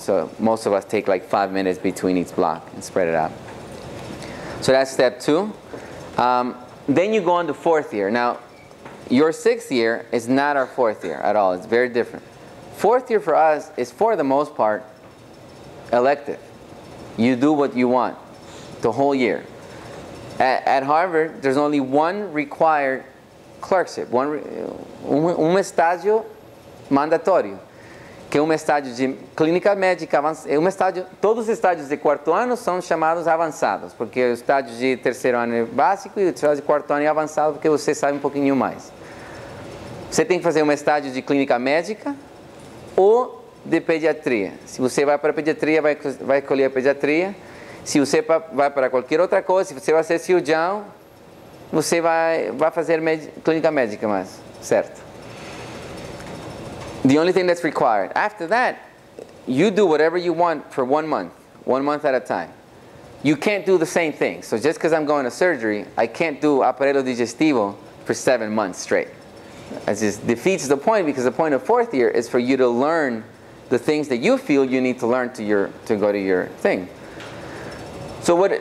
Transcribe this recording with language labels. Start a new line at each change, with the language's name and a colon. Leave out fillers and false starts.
English: So most of us take like 5 minutes between each block and spread it out. So that's step two. Then you go on to fourth year. Now, your sixth year is not our fourth year at all. It's very different. Fourth year for us is, for the most part, elective. You do what you want the whole year. At Harvard, there's only one required clerkship,
Portuguese: um estágio mandatório, que é estágio de clínica médica avançada. Todos os estágios de quarto ano são chamados avançados, porque o estágio de terceiro ano é básico e o estágio de quarto ano é avançado, porque você sabe um pouquinho mais. Você tem que fazer estágio de clínica médica ou de pediatria. Se você vai para pediatria, vai escolher a pediatria. Se você vai para qualquer outra coisa, se você vai ser cirurgião, você vai fazer clínica médica, mas certo.
English: The only thing that's required. After that, you do whatever you want for 1 month, 1 month at a time. You can't do the same thing. So just because I'm going to surgery, I can't do aparato digestivo for 7 months straight. That just defeats the point, because the point of fourth year is for you to learn the things that you feel you need to learn to your to go to your thing. So what?